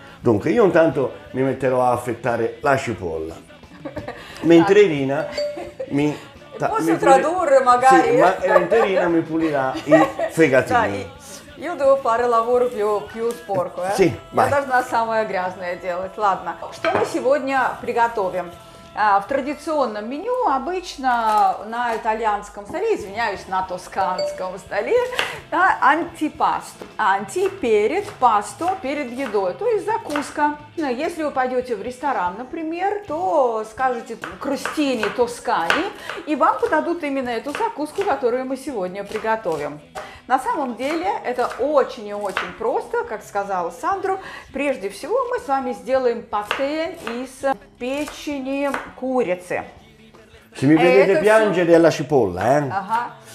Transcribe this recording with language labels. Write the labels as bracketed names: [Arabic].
[Italian] Dunque, io intanto mi metterò a affettare la cipolla, mentre Irina mi... mentre Irina mi pulirà i fegatini. Io devo fare lavoro più sporco, Sì, vai. Io [Russian] должна самое грязное делать, ладно. Что мы сегодня приготовим? В традиционном меню обычно на итальянском столе, извиняюсь, на тосканском столе, да, антипасто, анти перед, пасто перед едой, то есть закуска. Если вы пойдете в ресторан, например, то скажете «крустини тоскани», и вам подадут именно эту закуску, которую мы сегодня приготовим. На самом деле это очень и очень просто, как сказал Сандро. Прежде всего мы с вами сделаем патэ из печени курицы. [Italian] Se mi vedete piangere alla cipolla,